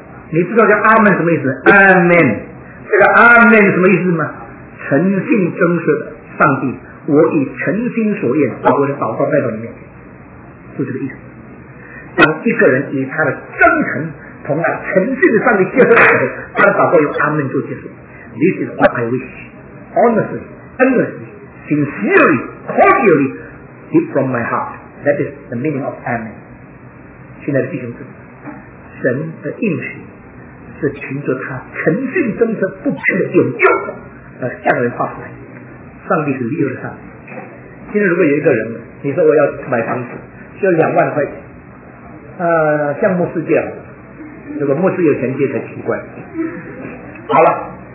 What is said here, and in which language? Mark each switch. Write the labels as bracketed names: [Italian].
[Chinese] 你知道叫阿门什么意思？阿门，这个阿门什么意思吗？诚信真实的上帝，我以诚心所愿把我的祷告带到你面前，就这个意思。当一个人以他的真诚同他诚信的上帝接受的时候，他的祷告用阿门就结束。 [English] This is what I wish, honestly, earnestly, sincerely, cordially, deep from my heart. That is the meaning of Amen. [Chinese] 亲爱的弟兄姊妹，神的应许是凭着他诚信真诚不变的永救而向人发出来。上帝是立约的上帝。今天如果有一个人，你说我要买房子，需要2万块钱，像牧师这样，如果牧师有钱借才奇怪。好了。